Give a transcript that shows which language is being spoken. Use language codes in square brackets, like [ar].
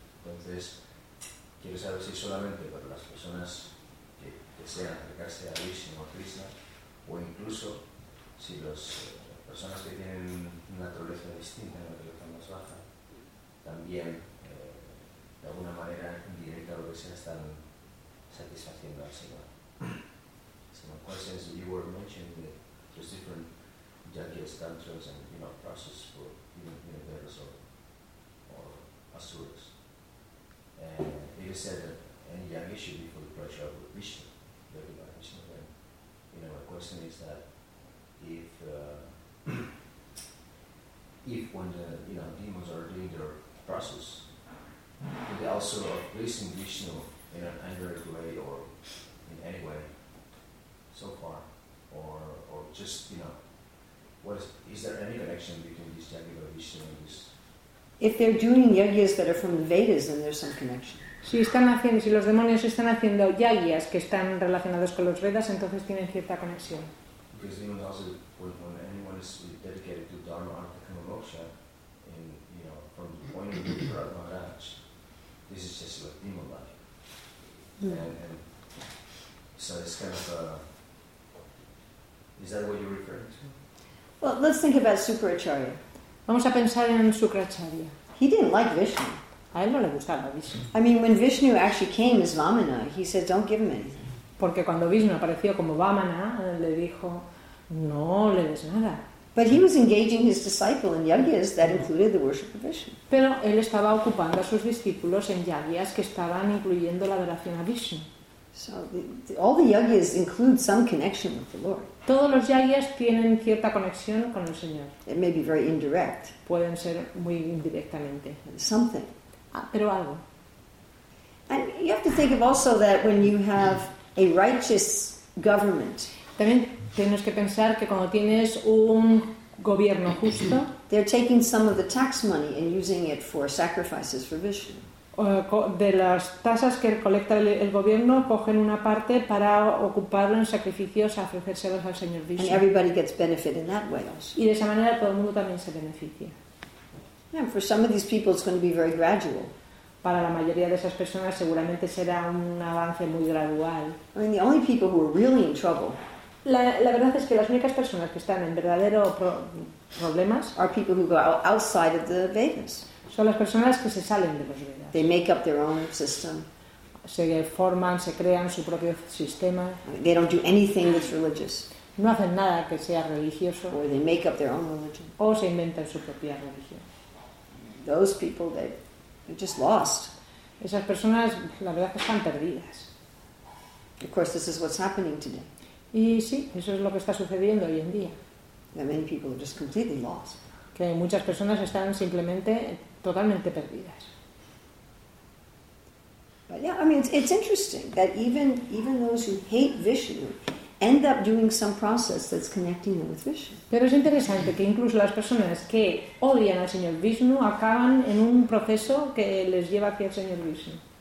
[es] Entonces, quiero saber si solamente para las personas que desean acercarse a vicio o Krishna, o incluso si las personas que tienen una naturaleza distinta, una naturaleza más baja, también de alguna manera indirecta o que sea, están satisfaciendo al Señor. [en] Some questions you were mentioning that there's different yagyas, tantras, and process for devas or asuras. And it is said that any yagya should be for the pleasure of Vishnu, the divine Vishnu. And my question is that if when the demons are doing their process, do they also are pleasing Vishnu in an indirect way or in any way so far? Or just, is there any connection between this yagya or Vishnu and this? If they're doing yagyas that are from the Vedas, then there's some connection. [es] Si están haciendo, si los demonios están haciendo yagyas que están relacionados con los Vedas, entonces tienen cierta conexión. [en] Because even also when anyone is dedicated to Dharma Artha Kama Moksha, and from the point of view of Prabhu Maharaj, this is just like demon life. And so it's kind of is that what you're referring to? Well, let's think about Sukracharya. [es] Vamos a pensar en Sukracharya. [en] He didn't like Vishnu. [es] A él no le gustaba Vishnu. [en] I mean, when Vishnu actually came as Vamana, he said, "Don't give him anything." [es] Porque cuando Vishnu apareció como Vamana, le dijo, "No le des nada." [en] But he was engaging his disciple in yagyas that included the worship of Vishnu. [es] Pero él estaba ocupando a sus discípulos en yagyas que estaban incluyendo la adoración a Vishnu. [en] So all the yagyas include some connection with the Lord. [es] Todos los yagyas tienen cierta conexión con el Señor. [en] It may be very indirect. [es] Pueden ser muy indirectamente. [en] Something. [es] Pero algo. [en] And you have to think of also that when you have a righteous government. [es] También tienes que pensar que cuando tienes un gobierno justo. [en] They're taking some of the tax money and using it for sacrifices for Vishnu. [es] De las tasas que colecta el gobierno cogen una parte para ocuparlo en sacrificios a ofrecérselos al Señor Vishnu. [en] And everybody gets benefit in that way also. [es] Y de esa manera todo el mundo también se beneficia. [en] Yeah, for some of these people it's going to be very gradual. [es] Para la mayoría de esas personas seguramente será un avance muy gradual. [en] I mean, the only people who are really in trouble. [es] La verdad es que las únicas personas que están en verdadero problemas [en] are people who go outside of the Vedas. [es] Son las personas que se salen de los Vedas. [en] They make up their own system. [es] Se forman, se crean su propio sistema. [en] They don't do anything that's religious. [es] no hacen nada que sea religioso, [en] or they make up their own religion, [es] o se inventan su propia religión. [en] Those people, they're just lost. [es] Esas personas, la verdad, que están perdidas. [en] Of course, this is what's happening today. [es] Y sí, eso es lo que está sucediendo hoy en día. [en] That many people are just completely lost. [es] Que muchas personas están simplemente totalmente perdidas. [en] But yeah, I mean, it's interesting that even those who hate Vishnu end up doing some process that's connecting them with Vishnu. [es] Pero es interesante que incluso las personas que odian al señor Vishnu acaban en un proceso que les lleva hacia el señor Vishnu.